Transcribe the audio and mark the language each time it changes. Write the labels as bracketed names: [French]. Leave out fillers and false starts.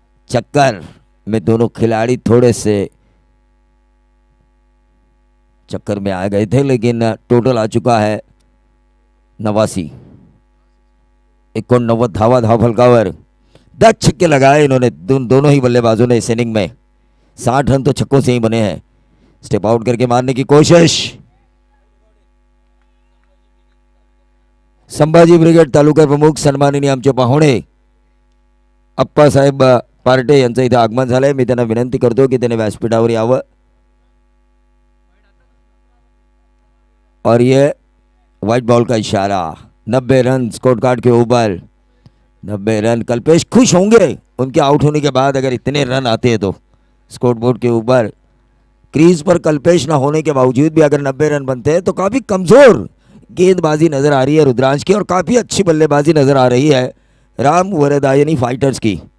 [Hindi] चक्कर में दोनों खिलाड़ी थोड़े से चक्कर में आ गए थे, लेकिन टोटल आ चुका है 89 [Marathi] धावा धाव फलकावर, [Hindi] 10 छक्के लगाए इन्होंने दोनों ही बल्लेबाजों ने इस इनिंग में, 60 रन तो छक्कों से ही बने हैं। स्टेप आउट करके मारने की कोशिश, [Marathi] संभाजी ब्रिगेड तालुका प्रमुख सन्माननीय आमचे पाहुणे अप्पा साहेब पार्टे यांचं इथे आगमन झालंय, मी त्यांना विनंती करतो की त्यांनी व्यासपीठावर यावं। [Hindi] और ये व्हाइट बॉल का इशारा, 90 रन स्कोर कार्ड के ऊपर, 90 रन, कल्पेश खुश होंगे उनके आउट होने के बाद अगर इतने रन आते हैं तो स्कोर बोर्ड के ऊपर। क्रीज पर कल्पेश ना होने के बावजूद भी अगर 90 रन बनते हैं तो काफ़ी कमज़ोर गेंदबाजी नज़र आ रही है रुद्रांश की, और काफ़ी अच्छी बल्लेबाजी नज़र आ रही है राम वरदा यानी फाइटर्स की।